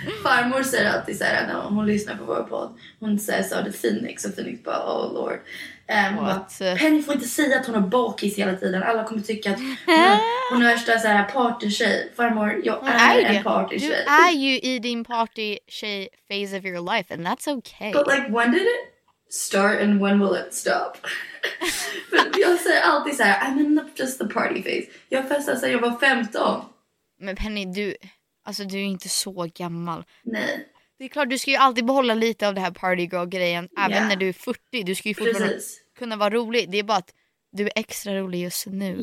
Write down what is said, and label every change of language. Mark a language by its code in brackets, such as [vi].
[sv] Farmor säger alltid så här, när hon lyssnar på vår podd. Hon säger så, det är Phoenix. Och Phoenix bara, oh lord. Penny får inte säga att hon har bakis hela tiden. Alla kommer tycka att hon är värsta så här partytjej. Farmor, jag är en partytjej. Du är ju i din partytjej [en] phase of your life, and that's okay. But like, when did it start and when will it stop? [sv] För jag säger alltid så här, [en] I'm in just the party phase. [sv] Jag festar sedan jag var 15. Men Penny, du, alltså du är inte så gammal. Nej. Det är klart, du ska ju alltid behålla lite av det här party girl-grejen. Även när du är 40. Du ska ju fortfarande kunna vara rolig. Det är bara att du är extra rolig just nu.